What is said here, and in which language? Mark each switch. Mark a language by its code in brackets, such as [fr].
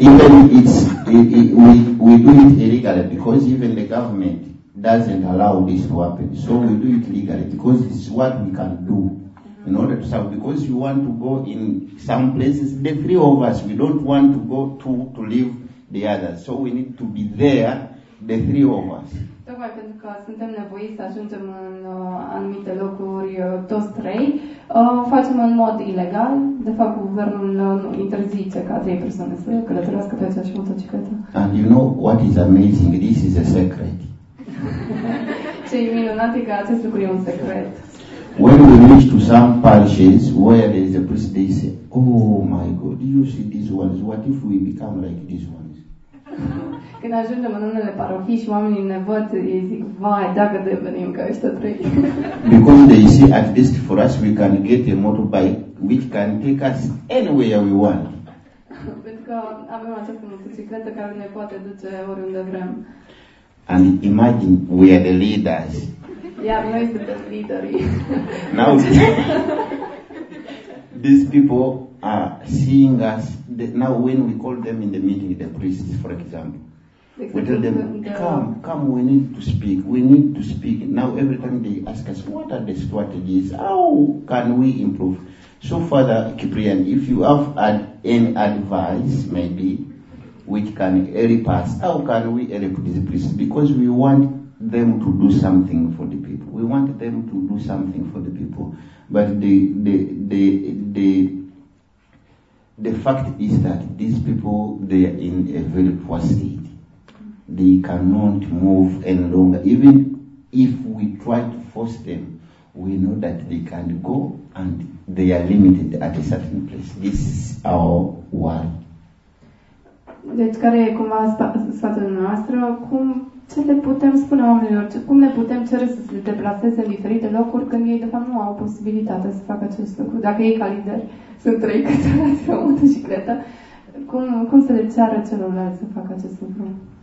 [en] Even we do it illegally because even the government doesn't allow this to happen. So we do it legally because it's what we can do in order to serve. Because you want to go in some places, the 3 of us, we don't want to go to live the others, so we need to be there, the 3 of us. [ro] Tocmai pentru că suntem nevoiți să ajungem în anumite locuri toți 3, facem în mod ilegal. De fapt, guvernul interzice ca 3 persoane să călătorească pe aceeași motocicletă. [en] And you know what is amazing? This is a secret. [ro] Ce e minunat e că acest lucru e un secret. [en] When we reach to some parishes where there is a priest, they say, oh my God, do you see these ones? What if we become like these ones? [ro] Când ajungem în unele parohii și oamenii ne văd, ei zic, vai, dacă devenim ca ăștia 3. [en] Because they see, at least for us, we can get a motorbike which can take us anywhere we want. [ro] Pentru că avem această motocicletă care ne poate duce oriunde vrem. [en] And imagine, we are the leaders. [ro] Iar noi suntem liderii. [en] Now, these people are seeing us. Now when we call them in the meeting, the priests, for example, we tell them, come, we need to speak. Now every time they ask us, what are the strategies? How can we improve? So Father Kiprian, if you have any advice, maybe, which can help us, how can we help these priests? Because we want them to do something for the people. We want them to do something for the people. But the fact is that these people, they are in a very poor state. They cannot move any longer. Even if we try to force them, we know that they can go and they are limited at a certain place. This is our world. [ro] Deci care e cumva sfatul noastră? Ce le putem spune oamenilor? Cum le putem cere să se deplaseze în diferite locuri când ei de fapt nu au posibilitatea să facă acest lucru? Dacă ei ca lideri sunt 3 cățărați pe o motocicletă, cum să le ceară celorlalți să facă acest lucru?